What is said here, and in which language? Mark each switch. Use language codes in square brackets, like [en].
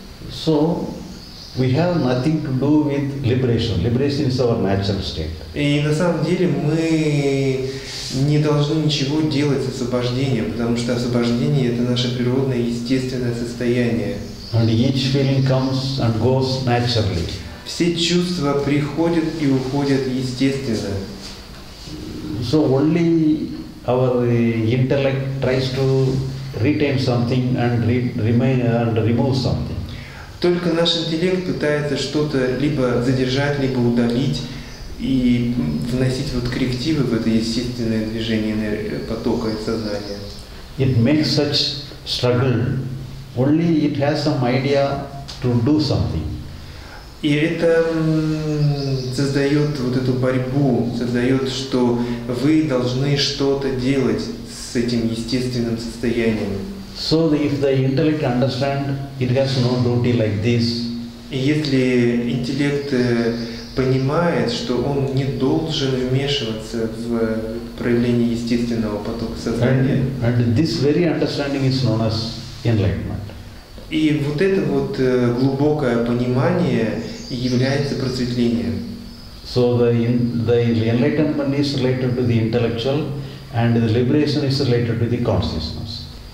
[en] So we have nothing to do with liberation. Liberation is our natural state. [ru] И на самом деле мы не должны ничего делать с освобождением, потому что освобождение — это наше природное естественное состояние. [en] And each feeling comes and goes naturally. [ru] Все чувства приходят и уходят естественно. [en] So only our intellect tries to retain something and remain and remove something. [ru] Только наш интеллект пытается что-то либо задержать, либо удалить и вносить вот коррективы в это естественное движение потока сознания. [en] It makes such struggle only it has some idea to do something. [ru] И это создает вот эту борьбу, создает, что вы должны что-то делать с этим естественным состоянием. [en] So if the intellect understand, it has no duty like this. [ru] И если интеллект понимает, что он не должен вмешиваться в проявление естественного потока сознания. [en] And this very understanding is known as enlightenment. [ru] И вот это вот глубокое понимание является просветлением. [en] So the enlightenment is related to the intellectual. And the liberation is related to the consciousness.